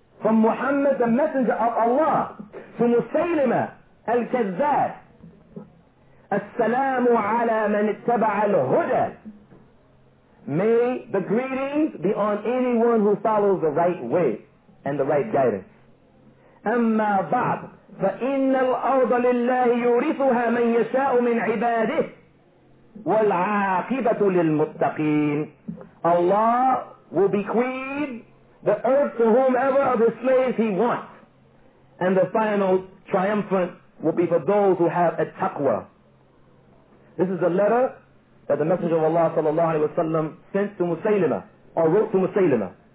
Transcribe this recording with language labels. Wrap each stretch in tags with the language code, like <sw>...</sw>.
<en>From Muhammad, the Messenger of Allah, to Musaylima al-Kadhdhab.</en> <ar>As-salamu ala man ittaba'a al-huda.</ar> <en>May the greetings be on anyone who follows the right way and the right guidance.</en> <ar>Amma ba'd, فَإِنَّ الْأَرْضَ لِلَّهِ يُورِثُهَا مَنْ يَشَاءُ مِنْ عِبَادِهِ وَالْعَاقِبَةُ لِلْمُتَّقِينَ.</ar> <en>Allah will bequeath the earth to whomever of his slaves he wants. And the final triumphant will be for those who have a taqwa. This is a letter that the Messenger of Allah sallallahu alaihi wasallam sent to Musaylima, or wrote to Musaylima.</en>